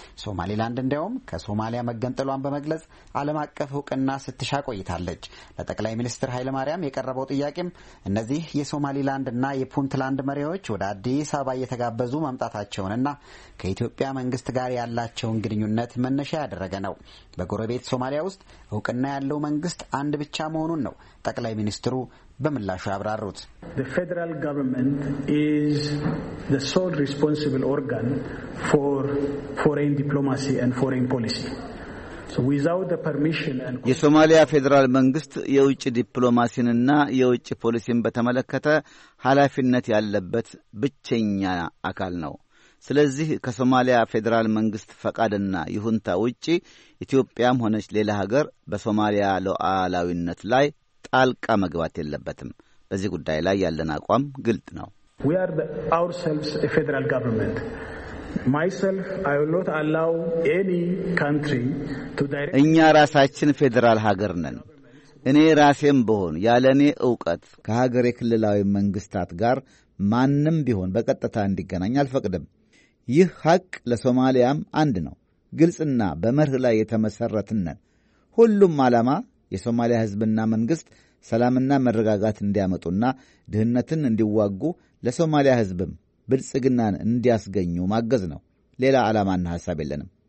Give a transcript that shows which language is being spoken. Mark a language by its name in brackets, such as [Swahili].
[Amharic] ሶማሊላንድ እንደውም ከሶማሊያ መገንጠሏን በመግለጽ ዓለም አቀፍ ዕውቅና ስትሻ ቆይታለች። ለጠቅላይ ሚኒስትር ኃይለማርያም የቀረበው ጥያቄም እነዚህ የሶማሊላንድና የፑንትላንድ መሪዎች ወደ አዲስ አበባ እየተጋበዙ መምጣታቸውንና ከኢትዮጵያ መንግስት ጋር ያላቸውን ግንኙነት መነሻ ያደረገ ነው። በጎረቤት ሶማሊያ ውስጥ ዕውቅና ያለው መንግስት አንድ ብቻ መሆኑ ነው ጠቅላይ ሚኒስትሩ በመላሹ ያብራሩት። [English] The federal government is the sole responsible organ for foreign diplomacy and foreign policy. So without the permission and [Amharic] የሶማሊያ ፌደራል መንግስት የውጭ ዲፕሎማሲንና የውጭ ፖሊሲን በተመለከተ ኃላፊነት ያለበት ብቸኛ አካል ነው። ስለዚህ ከሶማሊያ ፌደራል መንግስት ፈቃድና ይሁንታ ውጪ ኢትዮጵያም ሆነች ሌላ ሀገር በሶማሊያ ሉዓላዊነት ላይ ጣልቃ መግባት የለበትም። በዚህ ጉዳይ ላይ ያለን አቋም ግልጽ ነው። [English] We are ourselves a federal government. Myself, I will not allow any country to direct. [Amharic] እኛ ራሳችን ፌደራል ሀገር ነን። እኔ ራሴም ብሆን ያለኔ ዕውቀት ከሀገሬ ክልላዊ መንግስታት ጋር ማንም ቢሆን በቀጥታ እንዲገናኝ አልፈቅድም። ይህ ሀቅ ለሶማሊያም አንድ ነው። ግልጽና በመርህ ላይ የተመሰረተነን ሁሉም ዓላማ የሶማሊያ ህዝብና መንግስት ሰላምና መረጋጋት እንዲያመጡና ድህነትን እንዲዋጉ ለሶማሊያ ህዝብም ብልጽግናን እንዲያስገኙ ማገዝ ነው። ሌላ ዓላማና ሐሳብ የለንም።